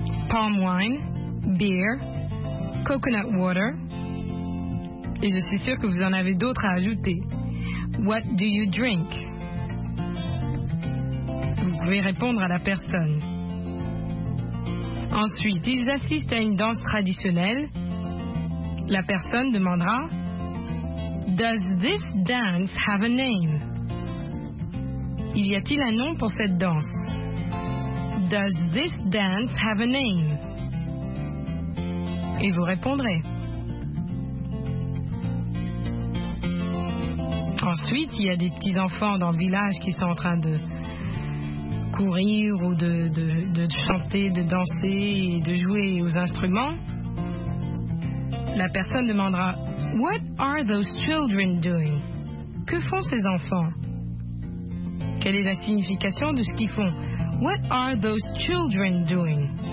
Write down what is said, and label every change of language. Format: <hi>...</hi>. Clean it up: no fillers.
<en>Palm wine, beer, coconut water.</en> <fr>Et je suis sûre que vous en avez d'autres à ajouter.</fr> <en>What do you drink?</en> <fr>Vous pouvez répondre à la personne. Ensuite, ils assistent à une danse traditionnelle. La personne demandera,</fr> <en>Does this dance have a name?</en> <fr>Y a-t-il un nom pour cette danse?</fr> <en>Does this dance have a name?</en> <fr>Et vous répondrez. Ensuite, il y a des petits enfants dans le village qui sont en train de courir ou de chanter, de danser et de jouer aux instruments. La personne demandera</fr> <en>What are those children doing?</en> <fr>Que font ces enfants? Quelle est la signification de ce qu'ils font?</fr> <en>What are those children doing?</en>